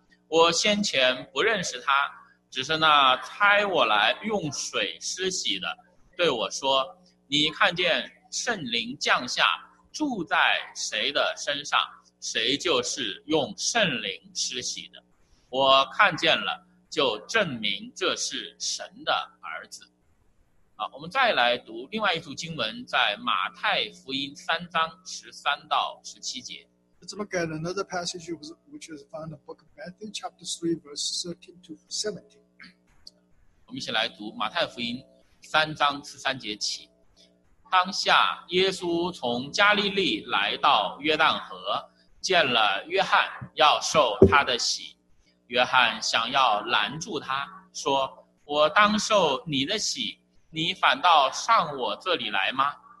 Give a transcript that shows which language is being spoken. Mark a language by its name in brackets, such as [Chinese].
[Chinese] 我先前不认识他，只是那差我来用水施洗的对我说，你看见圣灵降下住在谁的身上，谁就是用圣灵施洗的。我看见了，就证明这是神的儿子。好，我们再来读另外一处经文，在马太福音3:13-17。 [English] Let's look at another passage which is found in the book of Matthew, chapter 3, verse 13 to 17. [Chinese] 我们一起来读马太福音3:13起。当下耶稣从加利利来到约旦河，见了约翰要受他的洗，约翰想要拦住他说，我当受你的洗，你反倒上我这里来吗？